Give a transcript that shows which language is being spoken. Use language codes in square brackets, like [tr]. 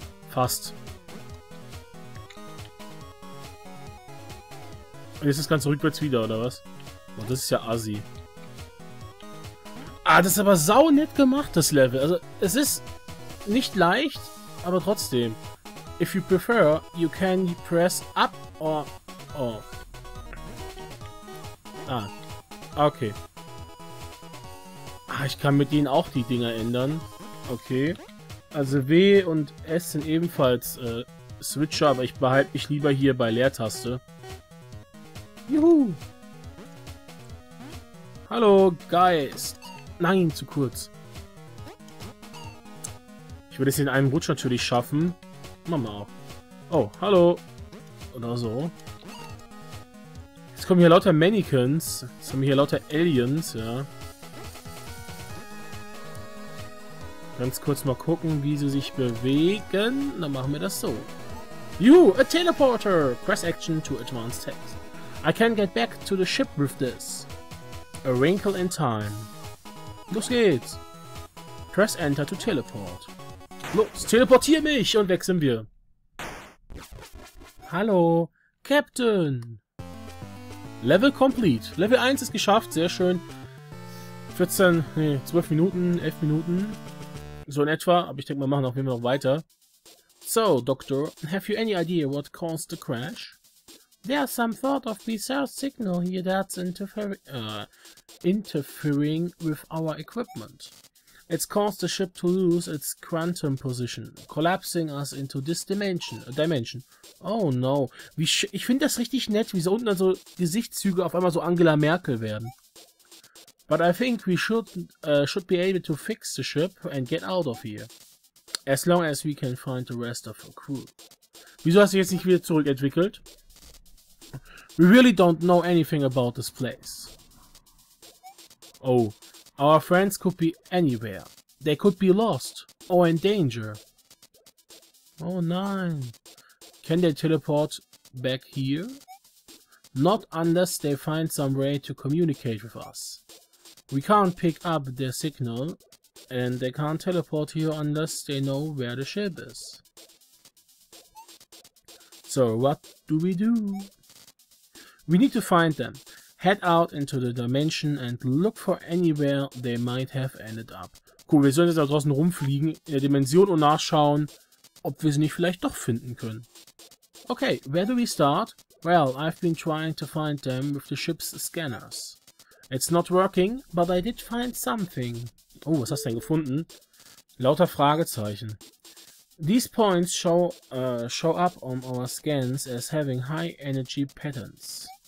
[de] Fast. Und jetzt ist das Ganze rückwärts wieder, oder was? Oh, das ist ja assi. Ah, das ist aber sau nett gemacht, das Level. Also, es ist nicht leicht, aber trotzdem. [en] If you prefer, you can press up or off. [de] Ah, okay. Ah, ich kann mit denen auch die Dinger ändern. Okay. Also W und S sind ebenfalls Switcher, aber ich behalte mich lieber hier bei Leertaste. Juhu! Hallo, Geist! Nein, zu kurz. Ich würde es in einem Rutsch natürlich schaffen. Machen wir auch. Oh, hallo! Oder so. Jetzt kommen hier lauter Mannequins. Jetzt kommen hier lauter Aliens, ja. Ganz kurz mal gucken, wie sie sich bewegen. Dann machen wir das so. [en] You, a teleporter! Press action to advance text. I can get back to the ship with this. A wrinkle in time. [de] Los geht's! [en] Press enter to teleport. [de] Los, teleportier mich und wechseln wir. [en] Hallo, Captain! Level complete. [de] Level 1 ist geschafft, sehr schön. 12 Minuten, 11 Minuten. So in etwa, aber ich denke, wir machen auf jeden Fall noch weiter. [en] So, Doctor, have you any idea what caused the crash? There's some sort of bizarre signal here that's interfering with our equipment. It's caused the ship to lose its quantum position, collapsing us into this dimension. Oh no. [de] Ich finde das richtig nett, wie so unten dann so Gesichtszüge auf einmal so Angela Merkel werden. [en] But I think we should be able to fix the ship and get out of here. As long as we can find the rest of the crew. [de] Wieso hast du jetzt nicht wieder zurückentwickelt? [en] We really don't know anything about this place. Oh, our friends could be anywhere. They could be lost or in danger. [de] Oh nein. [en] Can they teleport back here? Not unless they find some way to communicate with us. We can't pick up their signal, and they can't teleport here unless they know where the ship is. So, what do we do? We need to find them. Head out into the dimension and look for anywhere they might have ended up. [de] Cool, wir sollen jetzt da draußen rumfliegen in der Dimension und nachschauen, ob wir sie nicht vielleicht doch finden können. [en] Okay, where do we start? Well, I've been trying to find them with the ship's scanners. It's not working, but I did find something. [de] Oh, was hast du denn gefunden? Lauter Fragezeichen. [en] These points show up on our scans as having high energy patterns.